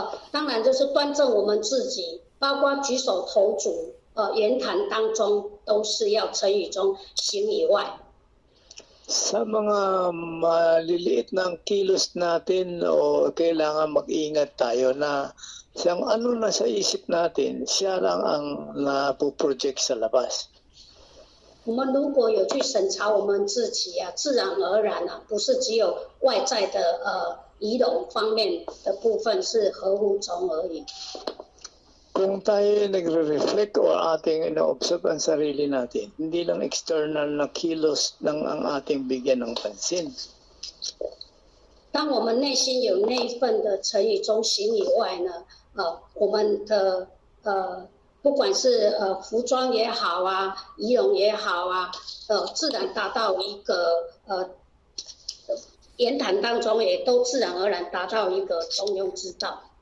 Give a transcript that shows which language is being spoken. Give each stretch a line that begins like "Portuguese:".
Chinese: 当然就是端正我们自己，包括举手投足。言谈当中都是要成语中行以外。
Filipino: Sa mga maliliit ng kilos natin o kailangan mag-ingat tayo na siyang ano na sa isip natin, siya lang ang napoproject sa labas.
Chinese: 我们如果有去审查我们自己啊，自然而然啊，不是只有外在的仪容方面的部分是合乎中而已。
Filipino: Kung tayo nagre-reflect o ating ino-observe ang sarili natin, hindi lang external na kilos ng ang ating bigyan ng pansin.
Chinese: 当我们内心有那一份的诚意中心以外呢，我们的不管是服装也好啊，仪容也好啊，自然达到一个言谈当中也都自然而然达到一个中庸之道。